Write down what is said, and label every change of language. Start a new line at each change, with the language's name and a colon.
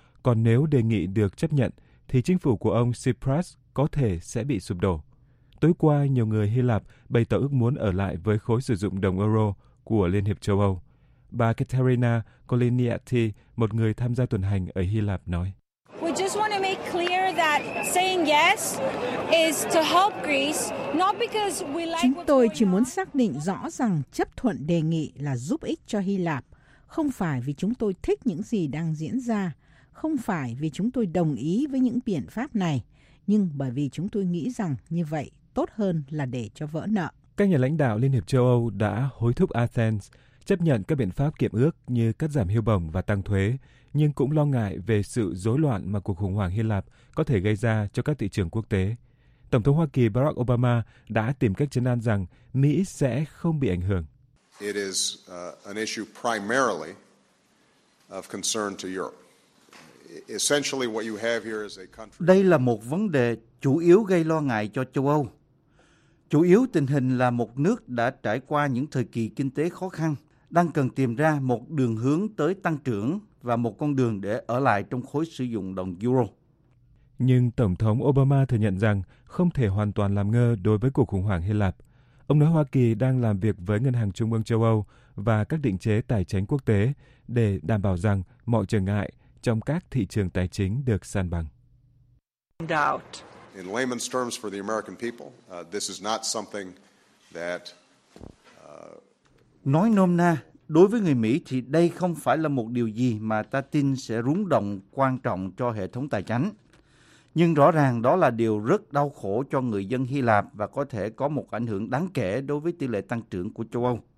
Vietnamese: Còn nếu đề nghị được chấp nhận, thì chính phủ của ông Tsipras có thể sẽ bị sụp đổ. Tối qua, nhiều người Hy Lạp bày tỏ ước muốn ở lại với khối sử dụng đồng euro của Liên hiệp châu Âu. Bà Katerina Koliniati, một người tham gia tuần hành ở Hy Lạp, nói.
English: We just want to make clear that saying yes is to help Greece, not because we like.
Vietnamese: Chúng tôi chỉ muốn xác định rõ rằng chấp thuận đề nghị là giúp ích cho Hy Lạp, không phải vì chúng tôi thích những gì đang diễn ra, không phải vì chúng tôi đồng ý với những biện pháp này, nhưng bởi vì chúng tôi nghĩ rằng như vậy tốt hơn là để cho vỡ nợ. Các nhà lãnh đạo Liên hiệp châu Âu đã hối thúc Athens chấp nhận các biện pháp kiệm ước như cắt giảm hưu bổng và tăng thuế, nhưng cũng lo ngại về sự rối loạn mà cuộc khủng hoảng Hy Lạp có thể gây ra cho các thị trường quốc tế. Tổng thống Hoa Kỳ Barack Obama đã tìm cách trấn an rằng Mỹ sẽ không bị ảnh hưởng.
English: It is an issue primarily of concern to Europe. Essentially what you have here is a country.
Vietnamese: Đây là một vấn đề chủ yếu gây lo ngại cho châu Âu. Chủ yếu tình hình là một nước đã trải qua những thời kỳ kinh tế khó khăn, đang cần tìm ra một đường hướng tới tăng trưởng và một con đường để ở lại trong khối sử dụng đồng euro. Nhưng Tổng thống Obama thừa nhận rằng không thể hoàn toàn làm ngơ đối với cuộc khủng hoảng Hy Lạp. Ông nói Hoa Kỳ đang làm việc với Ngân hàng Trung ương châu Âu và các định chế tài chính quốc tế để đảm bảo rằng mọi trở ngại trong các thị trường tài chính được san bằng.
English: In layman's terms for the American people, this is not something that.
Vietnamese: Nói nôm na, đối với người Mỹ thì đây không phải là một điều gì mà ta tin sẽ rúng động quan trọng cho hệ thống tài chính. Nhưng rõ ràng đó là điều rất đau khổ cho người dân Hy Lạp và có thể có một ảnh hưởng đáng kể đối với tỷ lệ tăng trưởng của châu Âu.